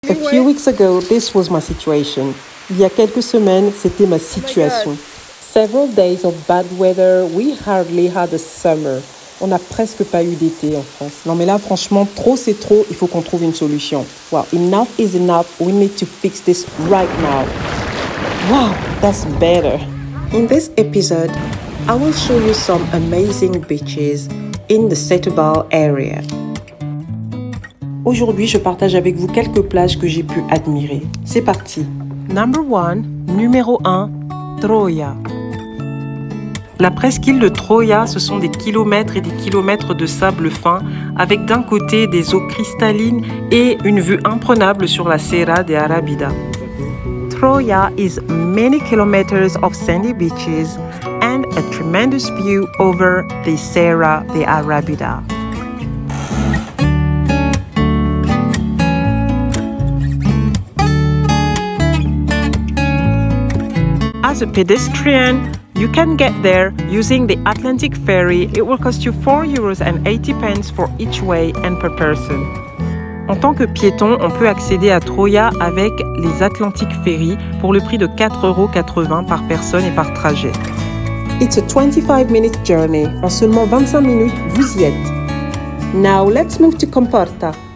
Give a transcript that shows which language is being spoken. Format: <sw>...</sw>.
<en>A few weeks ago, this was my situation.</en> <fr>Il y a quelques semaines, c'était ma situation.</fr> <en>Oh, several days of bad weather, we hardly had a summer.</en> <fr>On n'a presque pas eu d'été en France. Non mais là, franchement, trop c'est trop, il faut qu'on trouve une solution.</fr> <en>Well, enough is enough, we need to fix this right now. Wow, that's better. In this episode, I will show you some amazing beaches in the Setúbal area.</en> <fr>Aujourd'hui, je partage avec vous quelques plages que j'ai pu admirer. C'est parti.</fr> <en>Number one,</en> <fr>numéro 1,</fr> <en>Troía.</en> <fr>La presqu'île de Troya, ce sont des kilomètres et des kilomètres de sable fin avec d'un côté des eaux cristallines et une vue imprenable sur la Serra de Arábida.</fr> <en>Troya is many kilometers of sandy beaches and a tremendous view over the Serra de Arábida. As a pedestrian, you can get there using the Atlantic ferry. It will cost you 4 euros and 80 pence for each way and per person.</en> <fr>En tant que piéton, on peut accéder à Troya avec les Atlantic ferries pour le prix de 4,80 euros par personne et par trajet.</fr> <en>It's a 25-minute journey.</en> <fr>En seulement 25 minutes, vous y êtes.</fr> <en>Now let's move to Comporta.</en>